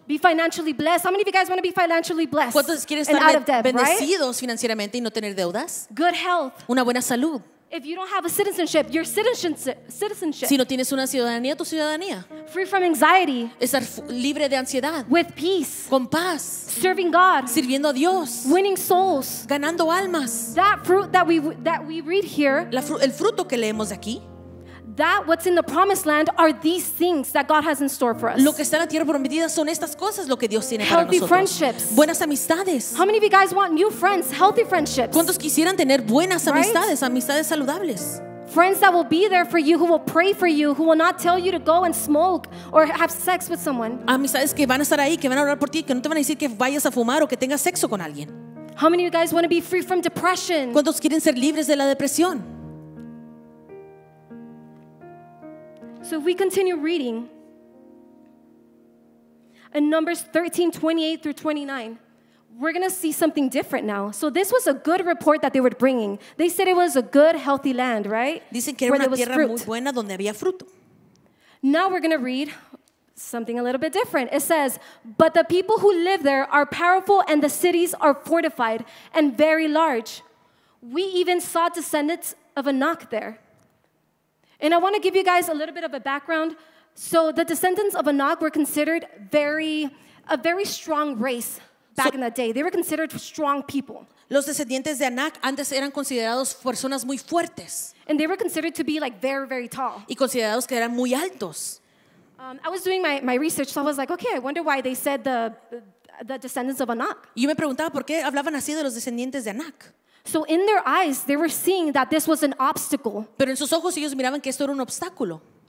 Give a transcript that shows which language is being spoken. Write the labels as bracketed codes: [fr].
[en] Be financially blessed. How many of you guys want to be financially blessed? [es] ¿Cuántos quieren estar bendecidos financieramente y no tener deudas? [en] Good health. [es] Una buena salud. [en] If you don't have a citizenship, your citizenship. [es] Si no tienes una ciudadanía, tu ciudadanía. [en] Free from anxiety. [es] Estar libre de ansiedad. [en] With peace. [es] Con paz. [en] Serving God. [es] Sirviendo a Dios. [en] Winning souls. [es] Ganando almas. [en] That fruit that we read here. [es] El fruto que leemos aquí. [en] That what's in the promised land are these things that God has in store for us. [es] Lo que está en la tierra prometida son estas cosas, lo que Dios tiene para nosotros. [en] Healthy friendships. [es] Buenas amistades. [en] How many of you guys want new friends, healthy friendships? [es] ¿Cuántos quisieran tener buenas amistades, amistades saludables? [en] Friends that will be there for you, who will pray for you, who will not tell you to go and smoke or have sex with someone. [es] Amistades que van a estar ahí, que van a orar por ti, que no te van a decir que vayas a fumar o que tengas sexo con alguien. [en] How many of you guys want to be free from depression? [es] ¿Cuántos quieren ser libres de la depresión? [en] So if we continue reading in Numbers 13, 28 through 29, we're going to see something different now. So this was a good report that they were bringing. They said it was a good, healthy land, right? [es] Dicen que era una tierra muy buena donde había fruto. [en] Now we're going to read something a little bit different. It says, but the people who live there are powerful and the cities are fortified and very large. We even saw descendants of Anak there. And I want to give you guys a little bit of a background. So the descendants of Anak were considered a very strong race back in that day. They were considered strong people. [es] Los descendientes de Anak antes eran considerados personas muy fuertes. [en] And they were considered to be like very, very tall. [es] Y considerados que eran muy altos. [en] I was doing my research, so I was like, okay, I wonder why they said the descendants of Anak. [es] Yo me preguntaba por qué hablaban así de los descendientes de Anak. [en] So in their eyes, they were seeing that this was an obstacle. [es] Pero en sus ojos ellos miraban que esto era un obstáculo.